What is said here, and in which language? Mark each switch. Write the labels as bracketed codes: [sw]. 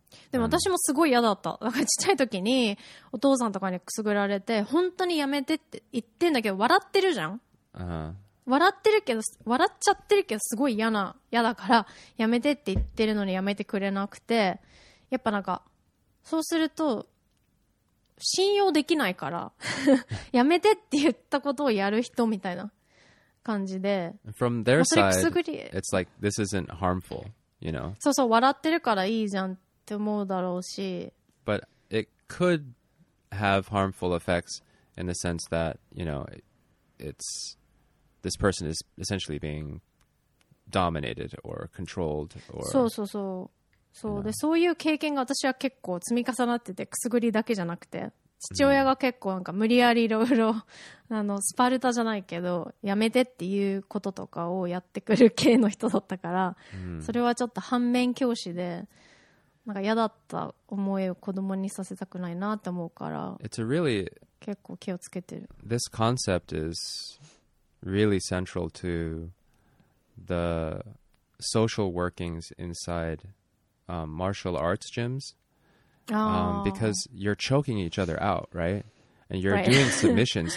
[ja] でも私もすごい嫌だった、なんかちっちゃい時にお父さんとかにくすぐられて本当にやめてって言ってんだけど笑ってるじゃん、笑ってるけど笑っちゃってるけどすごい嫌だからやめてって言ってるのにやめてくれなくて、やっぱなんかそうすると信用できないからやめてって言ったことをやる人みたいな感じで、 [en] From their side, it's like this isn't harmful, you know? [ja] そうそう、笑ってるからいいじゃんって思うだろうし、 [en] But it could have harmful effects in the sense that, you know, it'sThis person is essentially being dominated or controlled. Or, [ja] そうそうそう。そうで、そういう経験が私は結構積み重なってて、くすぐりだけじゃなくて、父親が結構なんか無理やりいろいろスパルタじゃないけど、やめてっていうこととかをやってくる系の人だったから、それはちょっと反面教師で、なんか嫌だった思いを子供にさせたくないなって思うから、 [en] It's a really... [ja] 結構気をつけてる。 [en] This concept is... really central to the social workings inside martial arts gyms. Because you're choking each other out, right? And you're right. doing submissions.